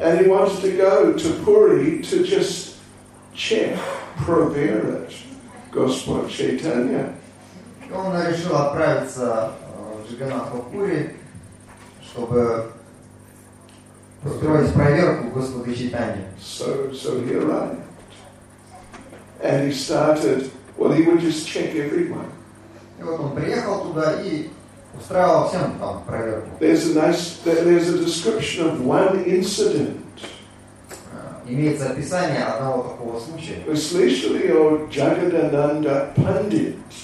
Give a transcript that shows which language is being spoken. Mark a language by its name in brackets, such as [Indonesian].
[English] And he wanted to go to Puri to just check, [Russian] проверить [English] Господ Чайтанья. [Russian] И он решил отправиться в Джаганнатха Пури, чтобы устроить проверку Господа Чайтанья. [English] So he arrived. And he started, well, he would just check everyone. [Russian] И вот он приехал туда и устраивал всем там проверку. [English] There's a description of one incident. [Russian] Имеется описание одного такого случая. Вы слышали о Джагадананда Пандит?